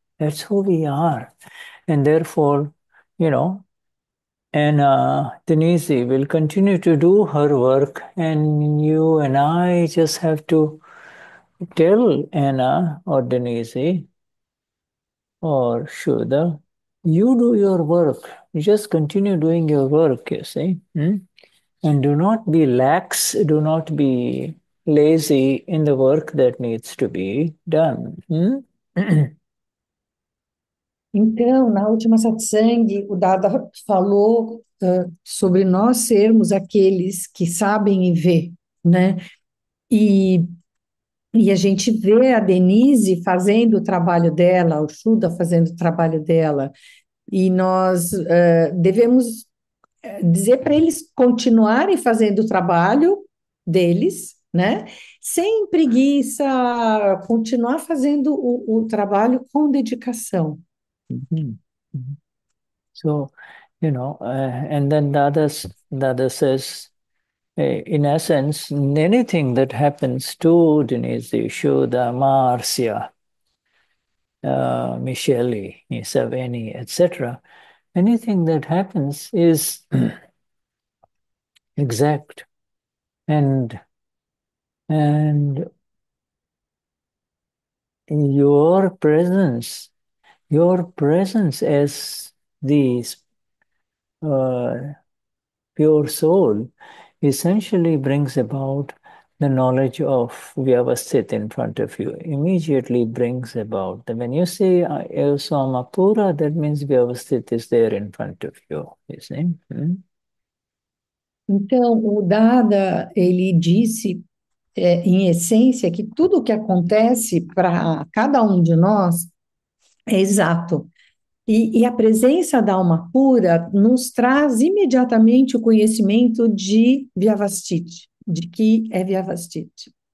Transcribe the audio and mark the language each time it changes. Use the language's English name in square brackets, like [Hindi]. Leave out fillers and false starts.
[English] That's who we are. And therefore, Denise will continue to do her work, and you and I just have to tell Anna or Denise or Shuddha, you do your work. You just continue doing your work, you see. And do not be lax, do not be lazy in the work that needs to be done. [Portuguese] Então, na última satsang, o Dada falou sobre nós sermos aqueles que sabem e vê, né? E a gente vê a Denise fazendo o trabalho dela, o Shuddha fazendo o trabalho dela, e nós devemos dizer para eles continuarem fazendo o trabalho deles, né? Sem preguiça, continuar fazendo o trabalho com dedicação. [English] So, and then the other says, in essence, anything that happens to Denise, Shuddha, Marcia, Michele, Isaveni, etc., anything that happens is exact and your presence as the pure soul essentially brings about the knowledge of vyavasthita in front of you. Immediately brings about. When you say [Portuguese] eu sou pura, [English] that means vyavasthita is there in front of you see? [Portuguese] Então, o Dada, ele disse, em essência, que tudo o que acontece para cada um de nós é exato. E a presença da alma pura nos traz imediatamente o conhecimento de Vyavastiti, de que é Vyavastiti.